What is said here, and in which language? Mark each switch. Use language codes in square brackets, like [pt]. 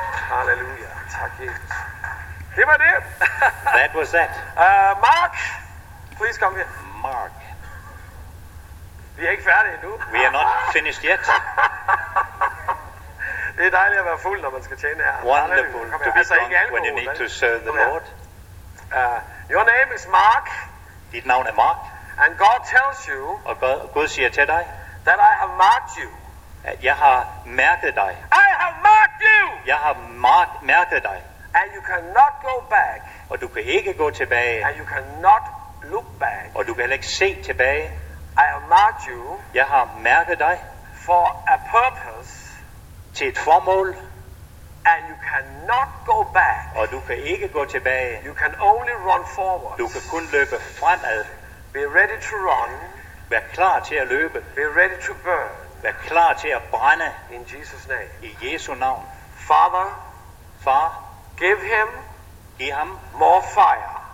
[da] Halleluja. Tak, Jesus. Det var det. [en] That was that. Mark, please come here. Mark. [da] Vi er ikke færdige endnu. [en] We are not finished yet. [da] Det er dejligt at være fuld, når man skal tjene her. [en] Wonderful to be drunk when you need to serve the Lord. Your name is Mark. [da] Dit navn er Mark. [en] And God tells you. [da] Og Gud siger til dig. [en] That I have marked you. [da] At jeg har mærket dig. [en] I have marked you. [da] Jeg har mærket dig. [en] And you cannot go back. [da] Og du kan ikke gå tilbage. [en] And you cannot look back. [da] Og du kan ikke se tilbage. [en] I have marked you. [da] Jeg har mærket dig. [en] For a purpose. [da] Til et formål. [en] And you cannot go back. [da] Og du kan ikke gå tilbage. [en] You can only run forward. [da] Du kan kun løbe fremad. [en] Be ready to run. [da] Vær klar til at løbe. [en] Be ready to burn. [da] Vær klar til at brænde. [en] In Jesus name. [da] I Jesu navn. [en] Father. [da] Far. [en] Give him. [da] Giv ham. [en] More fire.